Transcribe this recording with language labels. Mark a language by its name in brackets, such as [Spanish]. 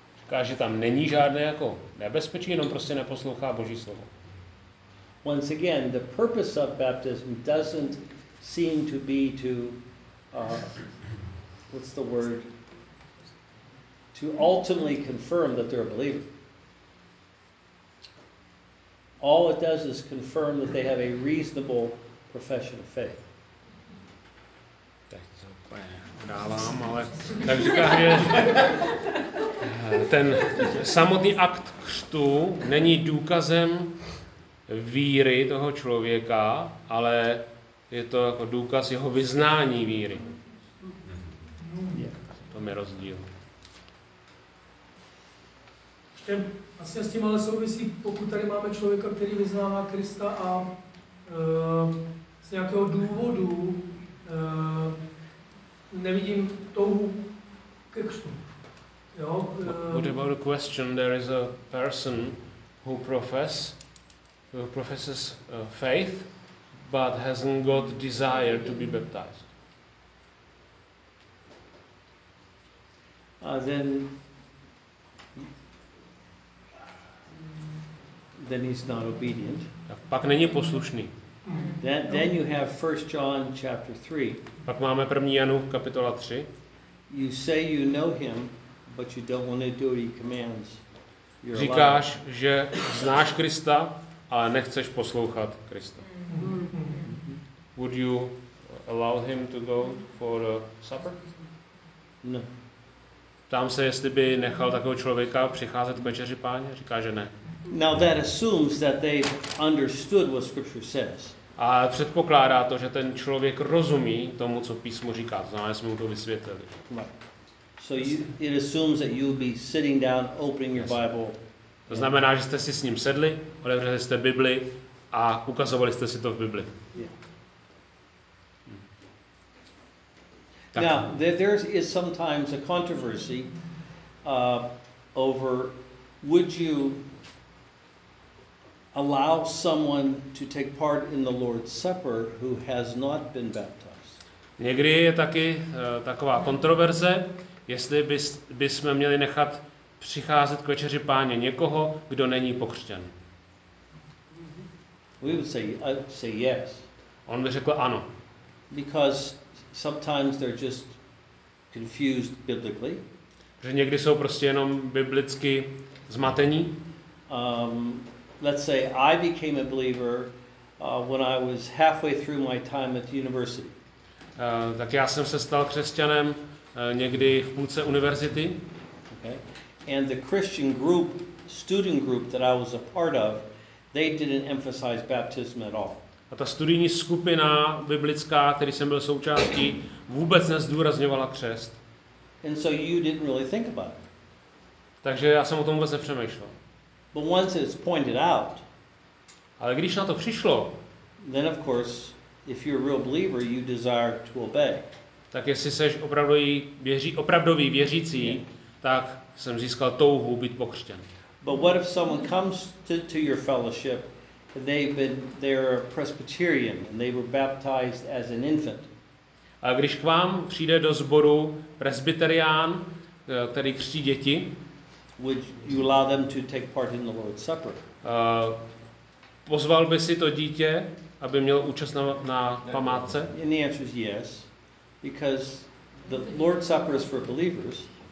[Czech] Říká, že tam není žádné jako nebezpečí, jenom prostě neposlouchá Boží slovo. [English] Once again, the purpose of baptism doesn't seem to be to, what's the word? to ultimately confirm that they're a believer. All it does is confirm that they have a reasonable profession of faith. [Czech] Tak to úplně dávám, ale tak říkám, že ten samotný akt křtu není důkazem víry toho člověka, ale je to jako důkaz jeho vyznání víry. To je rozdíl. Asi s tím ale souvisí, pokud tady máme člověka, který vyznává Krista a z nějakého důvodu nevidím touhu ke křtu. [English] What about a question? There is a person who professes faith, but hasn't got desire to be baptized. Then he's not obedient. [Czech] Tak pak není poslušný. [English] Then you have 1 John chapter 3. [Czech] Pak máme 1. Janův kapitola 3. [English] You say you know him, but you don't want to do what he commands. [Czech] Říkáš, že znáš Krista, ale nechceš poslouchat Krista. [English] Would you allow him to go for a supper? No. [Czech] Ptám se, jestli by nechal takového člověka přicházet k večeři páně? Říká, že ne. [English] Now that assumes that they understood what scripture says. [Czech] A předpokládá to, že ten člověk rozumí tomu, co písmo říká. To znamená, že jsme mu to vysvětlili. [English] Right. So it assumes that you'll be sitting down, opening your Bible. [Czech] To znamená, že jste si s ním sedli, otevřeli jste Bibli a ukazovali jste si to v Bibli. [English] Yeah. Now, there is sometimes a controversy over would you allow someone to take part in the Lord's Supper who has not been baptized. [Czech] Někdy je taky taková kontroverze, jestli bychom měli nechat přicházet k večeři páně někoho, kdo není pokřtěn. [English] We would say yes. [Czech] On by řekl ano. [English] Because sometimes they're just confused biblically. [Czech] Že někdy jsou prostě jenom biblicky zmatení. [English] Let's say I became a believer when I was halfway through my time at the university. [Czech] Tak já jsem se stal křesťanem někdy v půlce univerzity. [English] Okay. And the Christian group, student group that I was a part of, they didn't emphasize baptism at all. [Czech] A ta studijní skupina biblická, který jsem byl součástí, vůbec nezdůrazňovala křest. [English] And so you didn't really think about it. [Czech] Takže já jsem o tom vůbec nepřemýšlel. [English] But once it's pointed out, [Czech] ale když na to přišlo, [English] then of course, if you're a real believer, you desire to obey. [Czech] Tak jestli seš opravdový věřící, tak jsem získal touhu být pokřtěn. [English] But what if someone comes to your fellowship, they're a Presbyterian and they were baptized as an infant? [Czech] A když k vám přijde do sboru presbyterián, který křtí děti, [English] would you allow them to take part in the Lord's Supper? [Czech] Pozval by si to dítě, aby mělo účast na památce? [English] And the answer is yes, because the Lord's Supper is for believers.